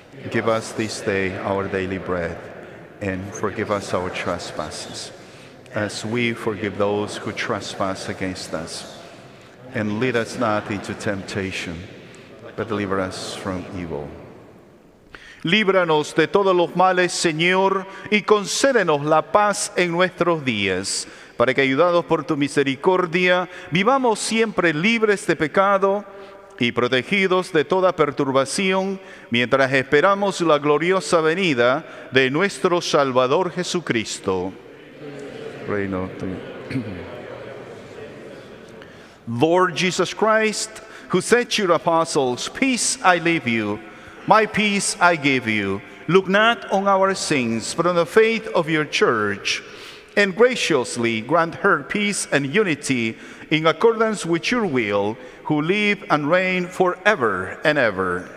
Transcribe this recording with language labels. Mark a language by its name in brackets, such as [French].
[English] Give us this day our daily bread, and forgive us our trespasses, as we forgive those who trespass against us. And lead us not into temptation, but deliver us from evil. [Spanish] Líbranos de todos los males, Señor, y concédenos la paz en nuestros días, para que, ayudados por tu misericordia, vivamos siempre libres de pecado y protegidos de toda perturbación, mientras esperamos la gloriosa venida de nuestro Salvador Jesucristo. Reino tuyo. [English] Lord Jesus Christ, who said to your apostles, Peace I leave you, my peace I give you, look not on our sins, but on the faith of your church, and graciously grant her peace and unity in accordance with your will, who live and reign forever and ever.